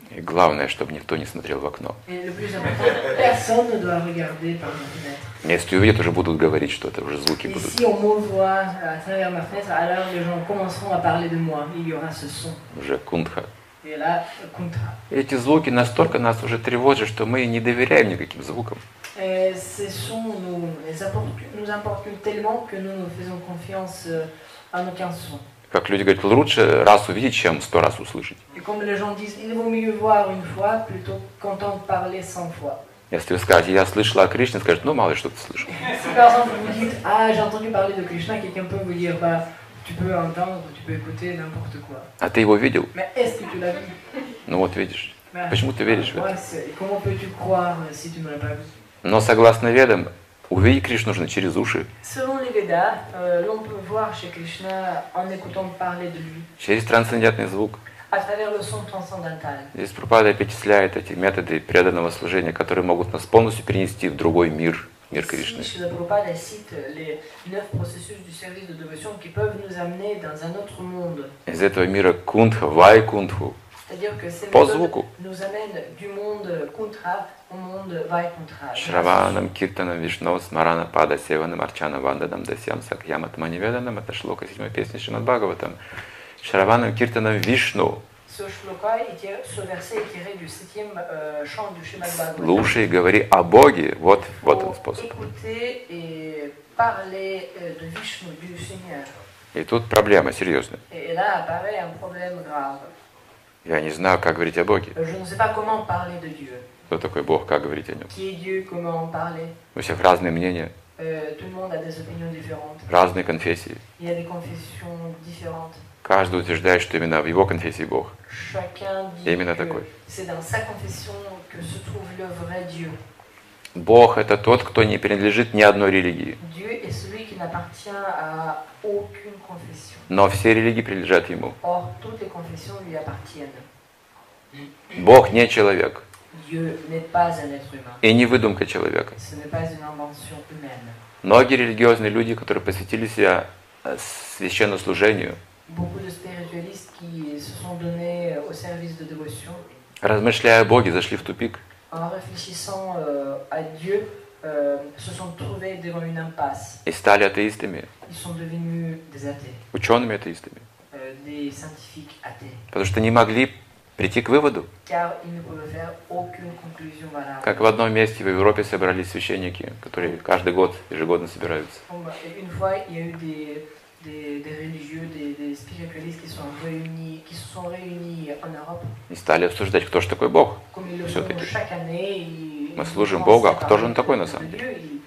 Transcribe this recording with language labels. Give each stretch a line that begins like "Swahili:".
French: Et
Russian: главное, чтобы никто не смотрел в окно.
French: Le plus important, personne ne doit regarder par ma fenêtre.
Russian: Если увидят, уже будут говорить что-то, уже звуки будут.
French: Si on me voit à travers ma fenêtre, alors les gens commenceront à parler de moi. Il y aura ce son.
Russian: Уже кундха.
French: Et là, кундха.
Russian: Эти звуки настолько нас уже тревожат, что мы не доверяем никаким звукам.
French: Ces sons nous importunent tellement que nous ne faisons confiance à aucun son.
Russian: Как люди говорят, лучше раз увидеть, чем 100 раз услышать.
French: Et comme les gens disent, il vaut mieux voir une fois plutôt qu'entendre parler 100 fois.
Russian: Если вы скажете, я слышала о Кришне, скажет, ну мало ли что ты слышал.
French: Si par exemple vous dites, ah j'ai entendu parler de Krishna, quelqu'un peut vous dire, bah tu peux entendre, tu peux écouter n'importe quoi.
Russian: А ты его видел?
French: Mais est-ce que tu l'as vu?
Russian: Ну вот видишь.
French: Mais
Russian: почему ты веришь в это?
French: Comment peux-tu croire si tu ne l'as pas vu?
Russian: Но согласно ведам, увидеть Кришну нужно через уши.
French: Selon les Vedas, l'on peut voir chez Krishna en écoutant parler de lui.
Russian: Через трансцендентный звук.
French: À travers le son transcendantal.
Russian: Здесь Прабхупада перечисляет эти методы преданного служения, которые могут нас полностью перенести в другой мир, мир Кришны.
French: Ici, Shrila Prabhupada cite les neuf processus du service de dévotion qui peuvent nous amener dans un autre monde.
Russian: Из этого мира кундха, вайкундху.
French: C'est-à-dire que ces nous amène du monde Kuntra au monde Vaikuntra.
Sanskrit: Shravanam, Kirtanam, Vishnu, Smarana, Pada, Sevanam, Archanam, Vandanam, Dasyam, Sakyam, Atmaniveranam,
Russian: это шлока 7-й песни Шримад Бхагаватам.
Sanskrit: Shravanam, Kirtanam, Vishnu.
French: Ce шлока, ce verset est tiré du 7e chant du Шримад Бхагаватам.
Russian: Слушай, говори о Боге, вот он способ.
French: Écouter et parler de Vishnu, du Seigneur.
Russian: И тут проблема серьезная.
French: Et là apparaît un problème grave.
Russian: Я не знаю, как говорить о Боге.
French: Je ne sais pas comment parler de Dieu.
Russian: Кто такой Бог, как говорить о нем?
French: Qui est Dieu, comment en parler?
Russian: У всех разные мнения.
French: Tout le monde a des opinions différentes.
Russian: Разные конфессии.
French: Il y a des confessions différentes.
Russian: Каждый утверждает, что именно в его конфессии Бог.
French: Chacun dit
Russian: именно
French: que
Russian: такой.
French: C'est dans sa confession que se trouve le vrai Dieu.
Russian: Бог – это тот, кто не принадлежит ни одной религии.
French: Dieu est celui qui n'appartient à aucune confession.
Russian: Но все религии принадлежат ему.
French: Or, toutes les confessions lui appartiennent.
Russian: Бог не человек.
French: Dieu n'est pas un être humain.
Russian: И не выдумка человека.
French: Ce n'est pas une invention humaine.
Russian: Многие религиозные люди, которые посвятили себя священнослужению,
French: beaucoup de spiritualistes qui se sont donnés au service de dévotion,
Russian: размышляя о Боге, зашли в тупик.
French: En réfléchissant à Dieu, se sont trouvés devant une impasse.
Russian: И стали атеистами.
French: Ils sont devenus des athées.
Russian: Учеными атеистами.
French: Des scientifiques athées.
Russian: Потому что не могли прийти к выводу.
French: Car ils ne pouvaient faire aucune conclusion valable.
Russian: Как в одном месте в Европе собрались священники, которые каждый год ежегодно собираются.
French: Une fois, il y a eu des religieux, des spiritualistes qui se sont réunis en Europe.
Russian: И стали обсуждать, кто же такой Бог. Все-таки. Мы служим Богу, а кто же он такой на самом деле?